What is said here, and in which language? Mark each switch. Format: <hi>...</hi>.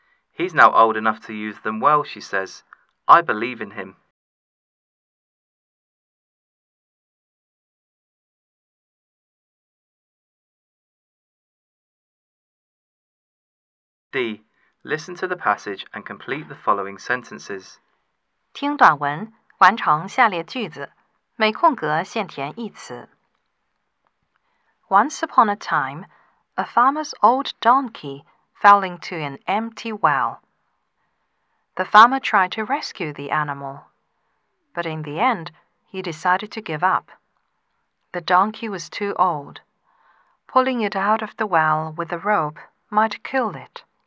<en>He's now old enough to use them well, she says. I believe in him. D. Listen to the passage and complete the following sentences.</en> <zh>听短文，完成下列句子，每空格限填一词。</zh> <en>Once upon a time, a farmer's old donkey fell into an empty well. The farmer tried to rescue the animal, but in the end, he decided to give up. The donkey was too old. Pulling it out of the well with a rope might kill it.</en>